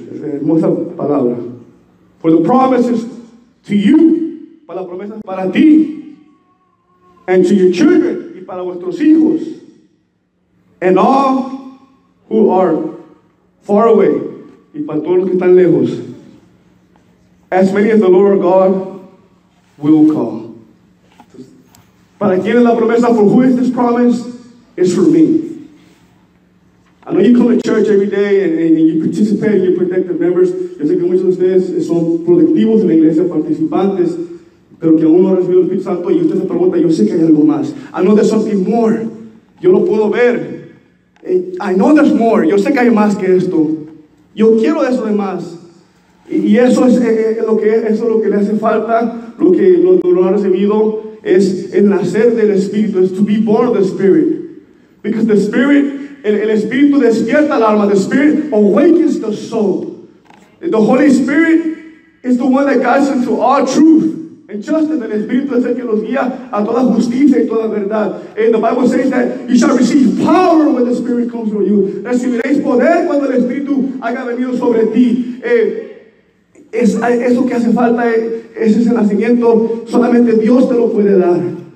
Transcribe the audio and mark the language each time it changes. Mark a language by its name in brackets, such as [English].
[Spanish] Es hermosa palabra. [English] For the promises to you, [Spanish] para las promesas para ti, [English] and to your children, [Spanish] y para vuestros hijos, [English] and all who are far away, [Spanish] y para todos los que están lejos, [English] as many as the Lord our God will call. [Spanish] Para quien es la promesa, [English] for who is this promise? It's for me. I know you come to church every day and you participate and you're productive members. [Spanish] Yo sé que muchos de ustedes son productivos en la iglesia, participantes, pero que aún no han recibido el Espíritu Santo y usted se pregunta, yo sé que hay algo más. [English] I know there's something more. [Spanish] Yo lo puedo ver. [English] I know there's more. [Spanish] Yo sé que hay más que esto. Yo quiero eso de más. Y eso es, lo que, eso es lo que le hace falta, lo que no lo ha recibido, es el nacer del Espíritu, es [English] to be born of the Spirit. Because the Spirit, [Spanish] el Espíritu despierta el alma, [English] the Spirit awakens the soul. The Holy Spirit is the one that guides us to all truth and justice. [Spanish] El Espíritu es el que nos guía a toda justicia y toda verdad. [English] And the Bible says that you shall receive power when the Spirit comes on you. [Spanish] Recibiréis poder cuando el Espíritu haya venido sobre ti. Es eso que hace falta, es ese nacimiento, solamente Dios te lo puede dar.